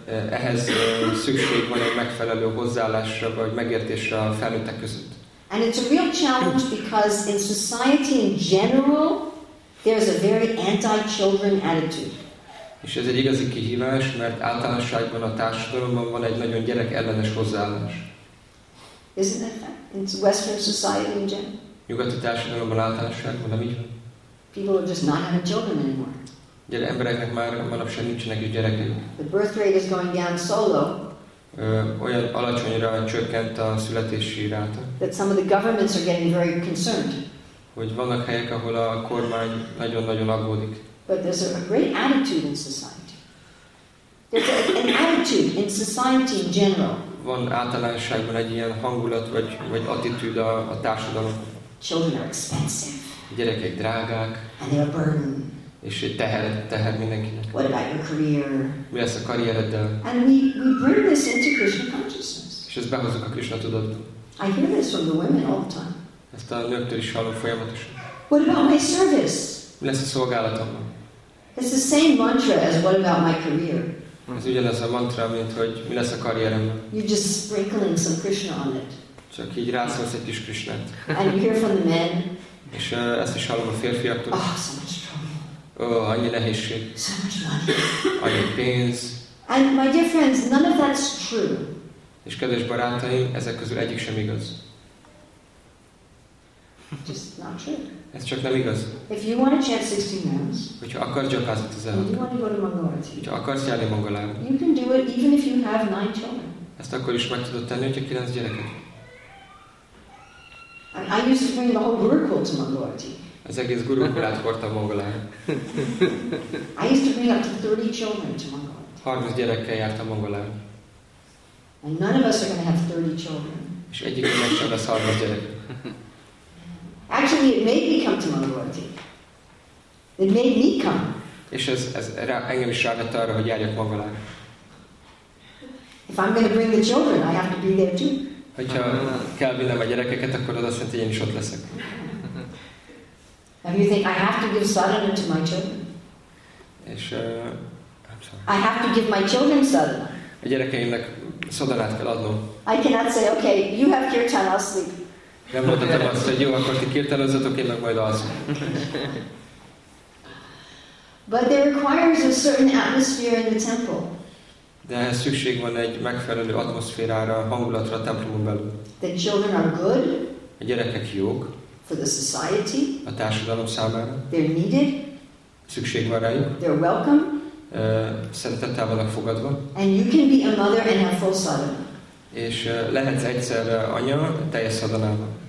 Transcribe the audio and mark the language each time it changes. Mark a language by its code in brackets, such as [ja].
[hu] Ehhez szükség van egy megfelelő hozzáállásra, vagy megértésre a felnőttek között. [en] And it's a real challenge because in society in general, there's a very anti-children attitude. [hu] És ez egy igazi kihívás, mert általánosságban a társadalomban van egy nagyon gyerek ellenes hozzáállás. [en] Isn't that fact? It's Western society in general. [hu] Nyugati társadalomban általánosságban nem így van. [en] People are just not having children anymore. [hu] Gyere, embereknek már manapság nincsenek is gyerekek. [en] The birth rate is going down so low. [hu] Olyan alacsonyra csökkent a születési ráta. [en] That some of the governments are getting very concerned. [hu] Hogy vannak helyek, ahol a kormány nagyon-nagyon aggódik. [en] But there's a great attitude in society. There's an attitude in society in general. [hu] Van általánosságban egy ilyen hangulat vagy attitűd a társadalomban. [en] Children are expensive. [hu] Gyerekek drágák. [en] And they're a burden. [hu] És egy teher mindenkinek. [en] What about your career? [hu] Mi lesz a karriereddel? [en] And we bring this into Krishna consciousness. [hu] És ezt behozzuk a Krishna tudatba. [en] I hear this from the women all the time. [hu] Ezt a nőktől is hallom folyamatosan. [en] What about my service? [hu] Mi lesz a szolgálatomban? [en] It's the same mantra as what about my career? [hu] Ez ugyanaz a mantra, mint hogy mi lesz a karrieremben? [en] You're just sprinkling some Krishna on it. [hu] Csak így rászolsz egy kis Krishnát. [en] And you hear from the men. [hu] És ezt is hallom a férfiaktól. [en] Oh, so much trouble. [hu] Oh, annyi nehézség. [en] So much money. [hu] Annyi pénz. [en] And my dear friends, none of that's true. [hu] És kedves barátaim, ezek közül egyik sem igaz. [en] Just not true. [hu] Ez csak nem igaz. [en] If you want to chant 16 rounds, [hu] hogyha akarsz gyakázni 16, hogyha akarsz járni Mangalára, [en] you can do it even if you have 9 children. [hu] Ezt akkor is meg tudod tenni, hogyha 9 gyereket. [en] I used to bring the whole Gurukul to Mangalati. [hu] Az egész Gurukulát hordtam Mangalára. [en] I used to bring up to 30 children to Mangalati. [hu] 30 gyerekkel jártam Mangalára. [en] And none of us are going to have 30 children. [hu] És egyikünk sem lesz 30 gyerek. [en] Actually, it made me come to Mangalarti. It made me come. [hu] És ez engem is rávett arra, hogy járjak Mangalára. [en] If I'm going to bring the children, I have to be there too. [hu] Hogyha kell vinnem a gyerekeket, akkor az azt jelenti, hogy én is ott leszek. [en] And you think I have to give sadhana to my children? [hu] És [en] I'm sorry. I have to give my children sadhana. [hu] A gyerekeimnek sadhanát kell adnom. [en] I cannot say, okay, you have kirtan, I'll sleep. [hu] Nem mondhatom azt, hogy jó, akkor ti kirtanozzatok, én meg majd alszom. [en] But there requires a certain atmosphere in the temple. [hu] De ehhez szükség van egy megfelelő atmoszférára, hangulatra a templomon belül. [en] The children are good. [hu] A gyerekek jók. [en] For the society. [hu] A társadalom számára. [en] They're needed. [hu] Szükség van rájuk. [en] They're welcome. [hu] Szeretettel vannak fogadva. [en] And you can be a mother and have full sadhana. [hu] És lehetsz egyszer anya teljes szadanában.